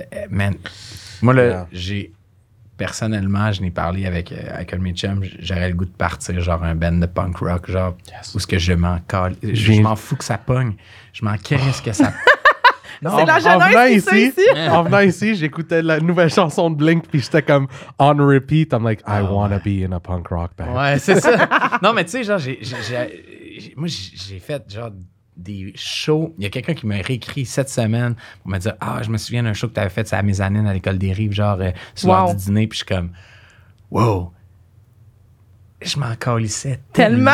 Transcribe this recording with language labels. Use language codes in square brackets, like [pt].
[fr] Man, moi, là, j'ai. Personnellement, je n'ai parlé avec un de mes chums, j'aurais le goût de partir, genre un band de punk rock, genre. [en] Yes. Où est-ce que je m'en cale. [fr] Je m'en fous que ça pogne. Je m'en qu'est-ce que ça. Non, c'est la jeunesse qui ici, ici. En venant ici, j'écoutais la nouvelle chanson de Blink, puis j'étais comme on repeat. [en] I'm like, I wanna be in a punk rock band. [fr] Ouais, c'est ça. Non, mais tu sais, genre, j'ai fait genre des shows. Il y a quelqu'un qui m'a réécrit cette semaine pour me dire, ah, je me souviens d'un show que tu avais fait à Mezzanine à l'école des Rives, genre, soir du dîner, puis je suis comme, wow. Je m'en calissais tellement.